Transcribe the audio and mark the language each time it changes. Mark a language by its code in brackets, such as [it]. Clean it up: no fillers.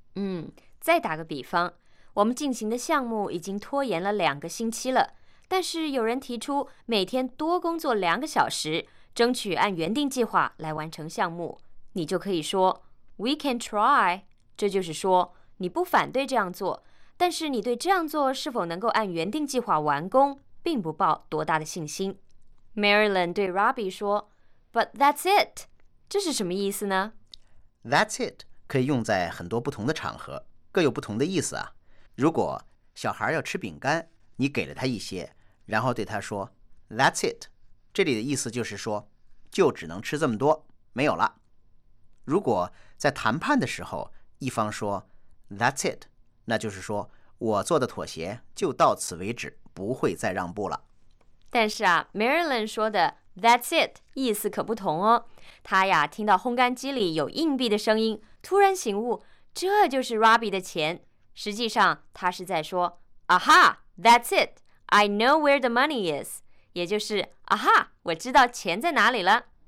[zh] 嗯，再打个比方，我们进行的项目已经拖延了两个星期了，但是有人提出每天多工作两个小时，争取按原定计划来完成项目，你就可以说 [en] We can try， [zh] 这就是说你不反对这样做，但是你对这样做是否能够按原定计划完工并不抱多大的信心。 Marilyn 对 Robbie 说 [en] But that's it， [zh] 这是什么意思呢？ [en] That's it [zh] 可以用在很多不同的场合，各有不同的意思啊。如果小孩要吃饼干，你给了他一些，然后对他说 [en] That's it， [zh] 这里的意思就是说就只能吃这么多，没有了。如果在谈判的时候一方说 [en] That's it， [zh] 那就是说我做的妥协就到此为止，不会再让步了。但是啊 Marilyn 说的 [en] That's it， [zh] 意思可不同哦。他呀，听到烘干机里有硬币的声音，突然醒悟，这就是 Robbie 的钱。实际上，他是在说 ， [en] Aha， that's it， I know where the money is， [zh] 也就是 Aha， 我知道钱在哪里了。